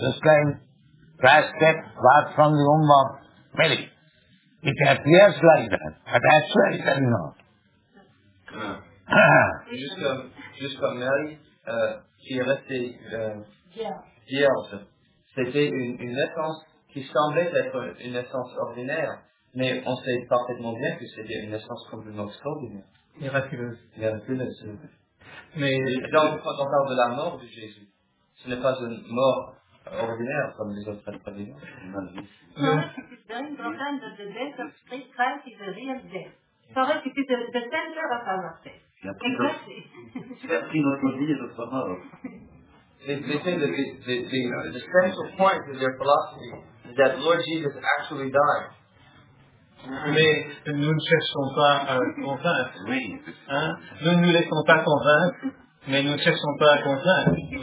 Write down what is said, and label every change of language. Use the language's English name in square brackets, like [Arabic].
[English] Just like Christ takes birth from the womb of Mary. It appears like that, but actually it is not. [French] Just comme Mary, qui est restée vierge. C'était une naissance qui semblait être une naissance ordinaire, mais on sait parfaitement bien que c'était une naissance complètement extraordinaire. Miraculeuse. Mais donc, quand on parle de la mort de Jésus, ce n'est pas une mort ordinaire comme les autres prédicateurs. Non, c'est plus dingue, Brandon, que la mort de Christ est une vraie mort. Il a pris notre vie et notre mort. [English] They say that the central point of their philosophy is that Lord Jesus actually died. [French] Mais nous ne cherchons pas à convaincre. Hein? Nous ne nous laissons pas convaincre, mais nous ne cherchons pas à convaincre.